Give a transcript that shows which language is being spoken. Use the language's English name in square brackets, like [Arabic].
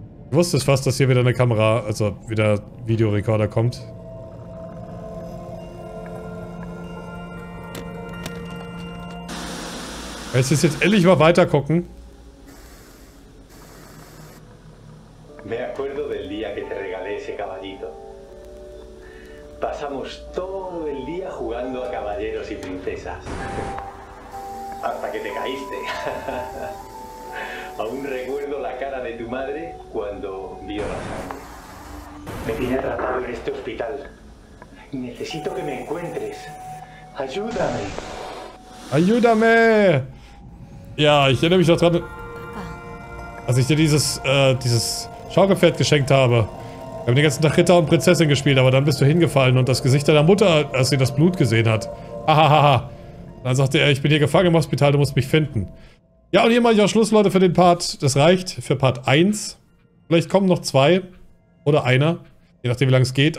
[German] Ich wusste es fast, dass hier wieder eine Kamera, also wieder Videorekorder kommt. Es ist jetzt endlich mal weiter gucken. [Spanish] Me acuerdo del día que te regalé ese caballito. Pasamos todo el día jugando a caballeros y princesas. Hasta que te caíste. Aún recuerdo la cara de tu madre cuando vio la sangre. Me tiene atrapado en este hospital. Necesito que me encuentres. Ayúdame. Ayúdame. [German] Ja, ich erinnere mich noch dran, als ich dir dieses Schaukelpferd geschenkt habe. Wir haben den ganzen Tag Ritter und Prinzessin gespielt, aber dann bist du hingefallen und das Gesicht deiner Mutter, als sie das Blut gesehen hat. Hahaha. Dann sagte er, ich bin hier gefangen im Hospital, du musst mich finden. Ja, und hier mache ich auch Schluss, Leute, für den Part. Das reicht für Part 1. Vielleicht kommen noch zwei. Oder einer. Je nachdem, wie lange es geht.